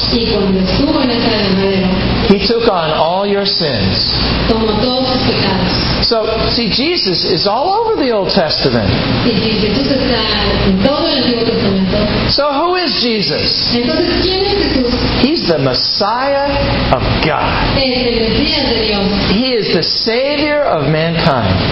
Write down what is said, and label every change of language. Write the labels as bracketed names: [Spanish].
[Spanish] y cuando estuvo en ese madero, [English] he took on all your sins. [Spanish] Tomó todos sus pecados. [English] So, see, Jesus is all over the Old Testament. [Spanish] Y Jesús está en todo el Antiguo Testamento. [English] So who is Jesus? [Spanish] Entonces, ¿quién es Jesús? [English] He's the Messiah of God. [Spanish] Es el Mesías de Dios. [English] He is the Savior of mankind.